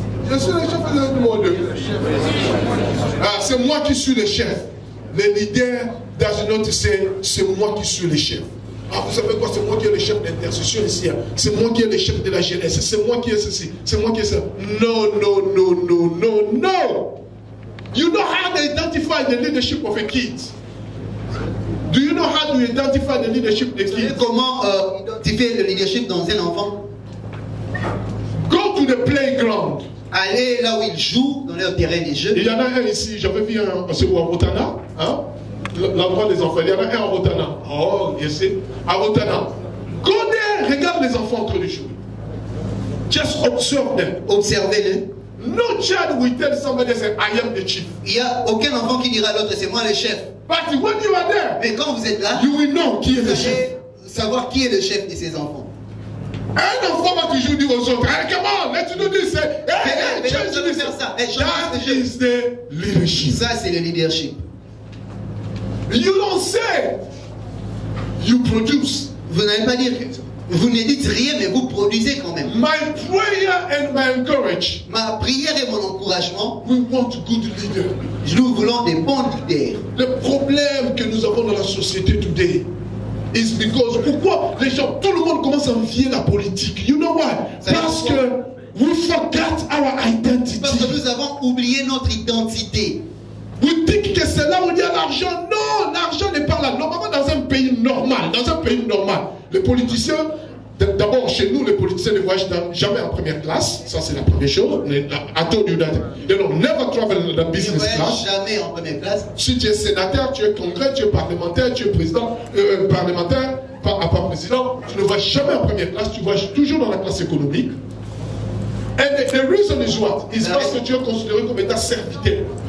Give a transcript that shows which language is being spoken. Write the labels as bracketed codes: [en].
[fr] Je suis le chef de numéro deux. Ah, c'est moi qui suis le chef. Le leader [en] does not say [fr] c'est moi qui suis le chef. Ah, vous savez quoi? C'est moi qui ai le chef d'intercession ici. Hein? C'est moi qui ai le chef de la jeunesse. C'est moi qui ai ceci. C'est moi qui ai ça. Non. [en] You know how to identify the leadership of a kid. Do you know how to identify the leadership of a kid? [fr] Comment identifier le leadership dans un enfant? [en] Go to the playground. [fr] Allez là où il joue, dans leur terrain de jeu. Il y en a un ici. J'avais vu un. C'est où, à Botana? Hein? L'endroit des enfants, il y en a un à Rotana. [en] Oh, yes, [fr] à Rotana. [en] Go there, [fr] regarde les enfants en train de jouer. [en] Just observe them. [fr] Observez-les. [en] No child will tell somebody say, I am the chief. [fr] Il n'y a aucun enfant qui dira à l'autre, c'est moi le chef. [en] But when you are there, [fr] mais quand vous êtes là, [en] you will know [fr] qui est le chef. Vous allez savoir qui est le chef de ces enfants. Un enfant va toujours dire aux autres, [en] hey, come on, let's do this. Hey, that is the leadership. [fr] Ça, c'est le leadership. [en] You don't say, You produce. [fr] Vous n'allez pas dire. Vous ne dites rien, mais vous produisez quand même. [en] My prayer and my encourage. [fr] Ma prière et mon encouragement. [en] We want good leaders. [fr] Nous voulons des bons leaders. Le problème que nous avons dans la société today is because pourquoi les gens, tout le monde commence à envier la politique. [en] You know why? Parce que we forgot our identity. [fr] Parce que nous avons oublié notre identité. Vous dites que c'est là où il y a l'argent. Non, l'argent n'est pas là. Normalement, dans un pays normal, les politiciens, d'abord chez nous, les politiciens ne voyagent jamais en première classe. Ça, c'est la première chose. [en] I told you that. You know, never travel in the business class. [fr] Ils voyagent jamais en première classe. Si tu es sénateur, tu es congrès, tu es parlementaire, tu es président, parlementaire, pas président, tu ne vas jamais en première classe. Tu voyages toujours dans la classe économique. [en] And the reason is what? [fr] Is parce que tu es considéré comme étant serviteur.